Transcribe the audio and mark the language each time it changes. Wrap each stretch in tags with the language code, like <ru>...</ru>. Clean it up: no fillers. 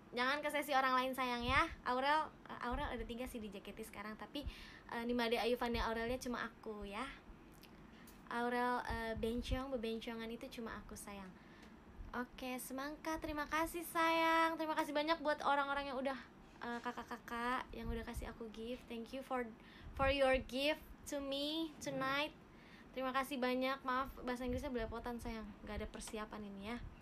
<id>Jangan ke sesi orang lain sayang ya. Aurel ada 3 sih di JKT sekarang. Tapi Nimade Ayu Fania Aurelnya cuma aku ya. Aurel bebencongan itu cuma aku sayang. Oke, semangka, terima kasih sayang. Terima kasih banyak buat orang-orang yang udah kakak-kakak yang udah kasih aku gift.</id> <en>Thank you for your gift to me tonight.</en> <id>Terima kasih banyak. Maaf bahasa Inggrisnya belepotan sayang. Gak ada persiapan ini ya.</id>